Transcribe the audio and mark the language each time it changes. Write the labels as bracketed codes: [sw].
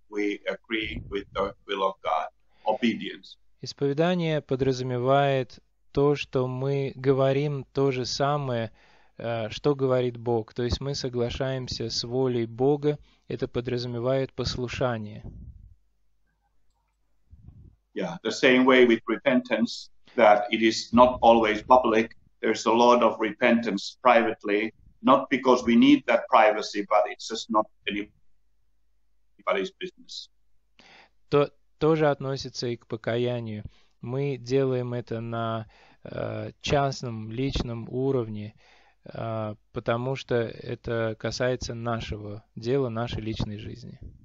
[en] We agree with the will of God. Obedience. [ru] Исповедание подразумевает то, что мы говорим то же самое, что говорит Бог. То есть мы соглашаемся с волей Бога. Это подразумевает послушание. [en] Yeah, the same way with repentance, that it is not always public. There's a lot of repentance privately, not because we need that privacy, but it's just not anybody's business. [ru] То тоже относится и к покаянию. Мы делаем это на частном, личном уровне, потому что это касается нашего дела, нашей личной жизни.